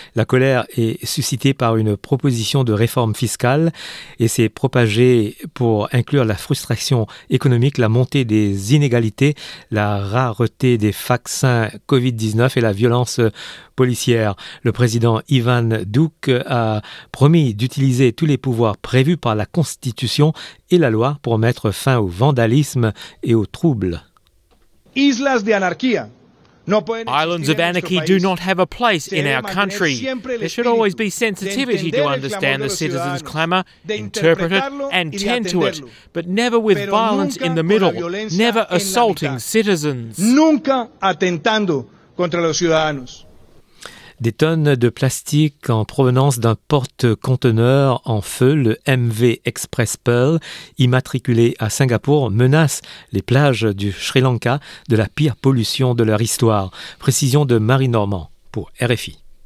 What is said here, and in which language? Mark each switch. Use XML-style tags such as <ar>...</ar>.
<fr>La colère est suscitée par une proposition de réforme fiscale et s'est propagée pour inclure la frustration économique, la montée des inégalités, la rareté des vaccins Covid-19 et la violence policière. Le président Ivan Duque a promis d'utiliser tous les pouvoirs prévus par la Constitution et la loi pour mettre fin au vandalisme et aux troubles.</fr> <es>Islas de anarquía.</es> <en>Islands of anarchy do not have a place in our country. There should always be sensitivity to understand the citizens' clamor, interpret it, and tend to it, but never with violence in the middle, never assaulting citizens.</en> <es>Nunca atentando contra los ciudadanos.</es> <fr>des tonnes de plastique en provenance d'un porte-conteneur en feu, le MV Express Pearl, immatriculé à Singapour, menace les plages du Sri Lanka de la pire pollution de leur histoire. Précision de Marie Normand pour RFI.</fr>